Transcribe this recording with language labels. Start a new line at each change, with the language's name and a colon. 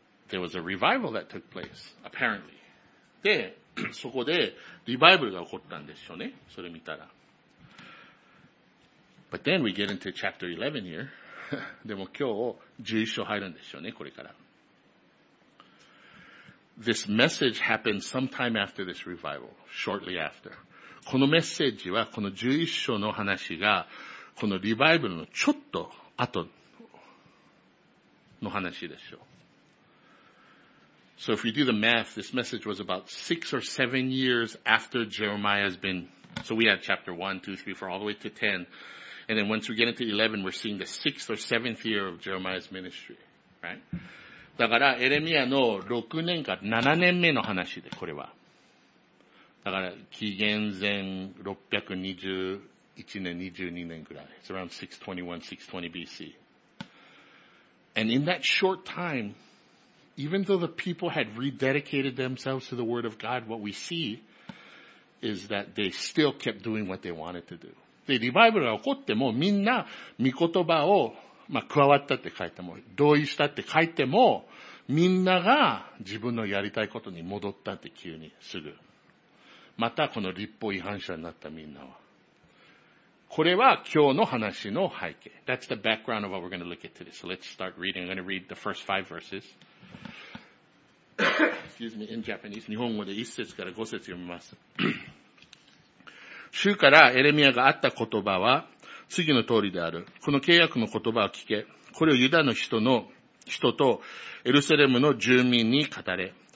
English: there was a revival that took place apparently
Japanese: でそこでリバイバルが起こったんですよねそれ見たら
English: But then we get into chapter 11 here.
Japanese: でも今日11章入るんでしょうね、これから。
English: This message happened sometime after this revival, shortly after.
Japanese: このメッセージは、この11章の話が、このリバイバルのちょっと後の話でしょう。
English: So if we do the math, this message was about 6 or 7 years after Jeremiah has been, so we had chapter 1, 2, 3, 4, all the way to 10. And then once we get into 11, we're seeing the sixth or seventh year of Jeremiah's ministry, right?
Japanese: だから、エレミアの6年か7年目の話で、これは。だから、紀元前621年、22年くらい。
English: It's around 621, 620 BC. And in that short time, even though the people had rededicated themselves to the word of God, what we see is that they still kept doing what they wanted to do.
Japanese: で、リバイバルが起こっても、みんな、御言葉を、まあ、加わったって書いても、同意したって書いても、みんなが自分のやりたいことに戻ったって急にすぐ。またこの立法違反者になったみんなは。これは今日の話の背景。
English: That's the background of what we're going to look at today. So let's start reading. I'm going to read the first five verses. Excuse me, in Japanese.
Japanese: 日本語で一節から五節読みます。主からエレミアが会った言葉は、次の通りである。この契約の言葉を聞け。これをユダの人とエルサレムの住民に語れ。